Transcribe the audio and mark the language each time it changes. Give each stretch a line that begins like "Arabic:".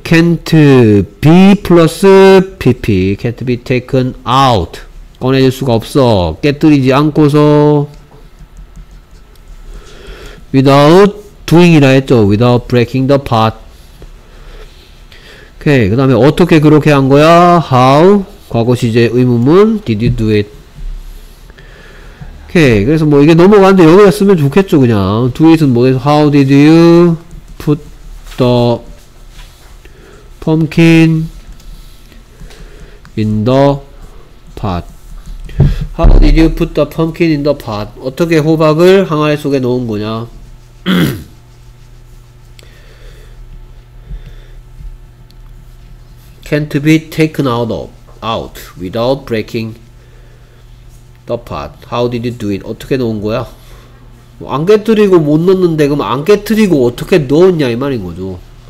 English: Can't be plus pp Can't be taken out
Korean: 꺼내질 수가 없어 깨뜨리지 않고서
English: Without doing이라 했죠 Without breaking the pot okay.
Korean: 그 다음에 어떻게 그렇게 한 거야?
English: How?
Korean: 과거 시제 의문문
English: Did you do it?
Korean: 오케이. 그래서 뭐 이게 넘어가는데 여기가 쓰면 좋겠죠 그냥.
English: Do it은
Korean: 뭐에서
English: How did you put the pumpkin in the pot? How did you put the pumpkin in the pot?
Korean: 어떻게 호박을 항아리 속에 넣은 거냐?
English: can't be taken out without breaking The pot. How did you do it?
Korean: 어떻게 넣은 거야? 뭐 안 깨뜨리고 못 넣는데 그럼 안 깨뜨리고 어떻게 넣었냐 이 말인 거죠.